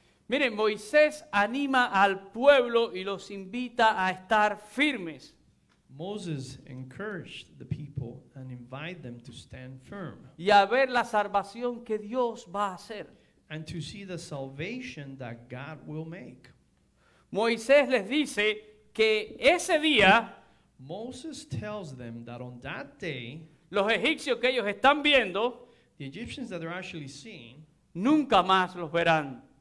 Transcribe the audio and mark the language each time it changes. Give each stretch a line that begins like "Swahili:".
Spanish: Miren, Moisés anima al pueblo y los invita a estar firmes.
English: Moses encouraged the people and invited them to stand firm.
Spanish: Y a ver la salvación que Dios va a hacer.
English: And to see the salvation that God will make.
Spanish: Moisés les dice que ese día,
English: Moses tells them that on that day,
Spanish: los egipcios que ellos están viendo,
English: the Egyptians that they're actually seeing,
Spanish: nunca más los verán.